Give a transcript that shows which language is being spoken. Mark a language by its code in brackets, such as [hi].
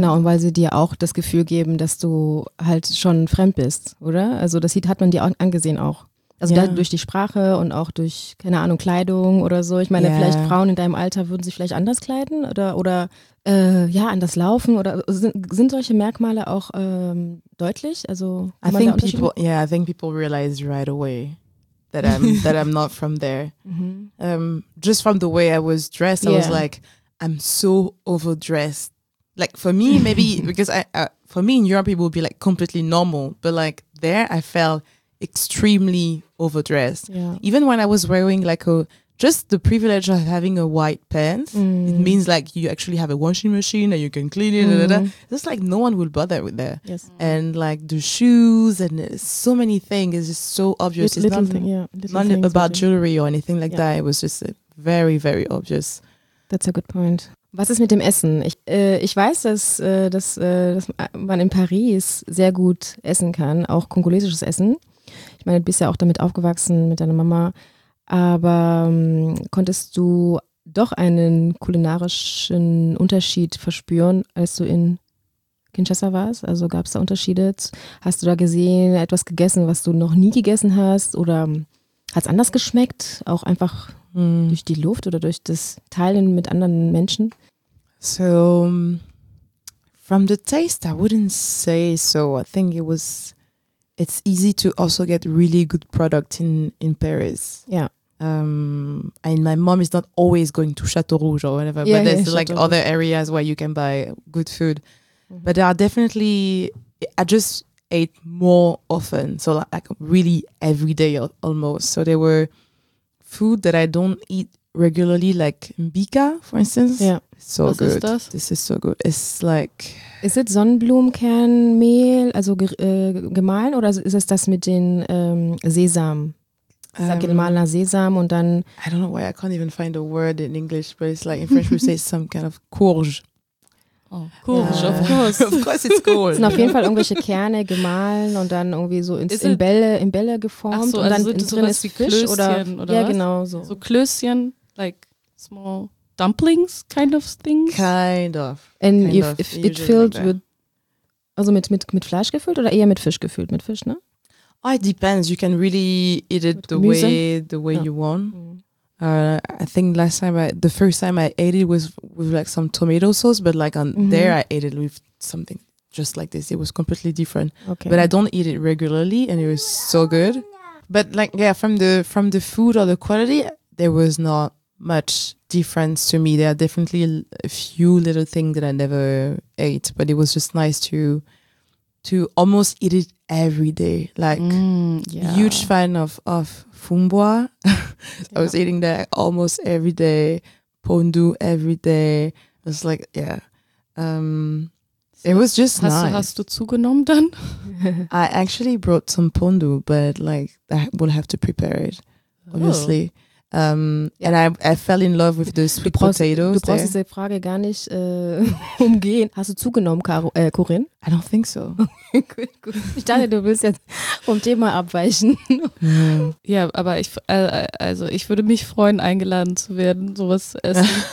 [de] genau, und weil sie dir auch das Gefühl geben, dass du halt schon fremd bist, oder? Also das hat man dir auch angesehen auch. Also durch die Sprache und auch durch, keine Ahnung, Kleidung oder so. Ich meine, vielleicht Frauen in deinem Alter würden sich vielleicht anders kleiden oder anders laufen oder sind solche Merkmale auch deutlich? Also [en] I think people realize right away that I'm that I'm not from there. Mm-hmm. Just from the way I was dressed, I was like, I'm so overdressed. Like for me, maybe because for me in Europe it would be like completely normal, but like there I felt extremely overdressed. Yeah. Even when I was wearing like just the privilege of having a white pants, it means like you actually have a washing machine and you can clean it. Mm. It's like no one will bother with that. Yes. And like the shoes and so many things is just so obvious. It's not, not about jewelry or anything like that. It was just very, very obvious. That's a good point. [de] Was ist mit dem Essen? Ich weiß, dass man in Paris sehr gut essen kann, auch kongolesisches Essen. Ich meine, du bist ja auch damit aufgewachsen mit deiner Mama, aber konntest du doch einen kulinarischen Unterschied verspüren, als du in Kinshasa warst? Also gab es da Unterschiede? Hast du da gesehen, etwas gegessen, was du noch nie gegessen hast, oder hat es anders geschmeckt, auch einfach durch die Luft oder durch das Teilen mit anderen Menschen? [en] So, from the taste, I wouldn't say so. I think it was... It's easy to also get really good product in Paris. Yeah. And my mom is not always going to Chateau Rouge or whatever, but there's like other areas where you can buy good food. Mm-hmm. But there are definitely, I just ate more often. So like really every day almost. So there were food that I don't eat regularly, like mbika, for instance. Yeah. So was good. [de] Ist das? [en] This is so good. It's like... [de] Is it Sonnenblumenkernmehl, also gemahlen, oder ist es das mit den Sesam? Gemahlener Sesam und dann... [en] I don't know why, I can't even find a word in English, but it's like in French we say some kind of courge. Oh, Courge, of course. Of course it's Courge. Cool. [de] Es sind auf jeden Fall irgendwelche Kerne gemahlen und dann irgendwie so in Bälle geformt. Ach so, und dann also in drin ist Fisch oder ja, was? Genau so. So Klößchen, [en] like small... Dumplings kind of things? Kind of. And kind if it filled like with [de] Also mit Fleisch gefüllt oder eher mit Fisch gefüllt? Mit Fisch, ne? [en] Oh, it depends. You can really eat it the way ja. You want. I think the first time I ate it was with like some tomato sauce, but like on there I ate it with something just like this. It was completely different. Okay. But I don't eat it regularly and it was so good. But like, yeah, from the food or the quality, there was not much difference to me. There are definitely a few little things that I never ate, but it was just nice to almost eat it every day. Like, huge fan of fumboa. Yeah. I was eating that almost every day. Pondu every day. It was like, yeah. It was just nice. [de] Hast du zugenommen dann? [en] I actually brought some pondu, but like, I will have to prepare it, obviously. Oh. And I fell in love with the sweet potatoes. [de] Du brauchst diese Frage gar nicht umgehen. Hast du zugenommen, Corinne? [en] I don't think so. [de] Gut, gut. Ich dachte, du willst jetzt vom Thema abweichen. Ja, aber ich würde mich freuen, eingeladen zu werden, sowas zu essen.